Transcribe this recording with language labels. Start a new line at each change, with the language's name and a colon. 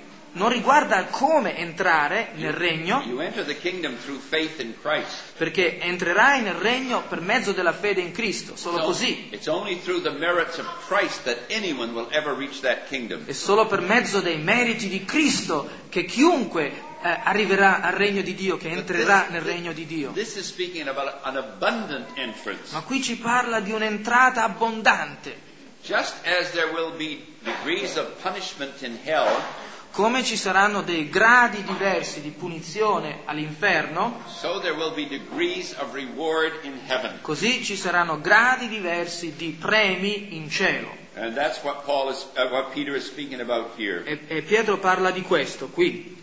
Italian: Non riguarda come entrare nel regno.
English: You enter the kingdom through faith in Christ.
Italian: Perché entrerai nel regno per mezzo della fede in Cristo, solo così.
English: It's only through the merits of Christ that anyone will ever reach that kingdom.
Italian: È solo per mezzo dei meriti di Cristo che chiunque arriverà al regno di Dio, che entrerà nel regno di Dio.
English: This is speaking about an abundant entrance.
Italian: Ma qui ci parla di un'entrata abbondante.
English: Just as there will be degrees of punishment in hell.
Italian: Come ci saranno dei gradi diversi di punizione all'inferno,
English: so there will be degrees of reward in heaven.
Italian: Così ci saranno gradi diversi di premi in cielo.
English: And that's what what Peter is speaking about here.
Italian: E Pietro parla di questo qui.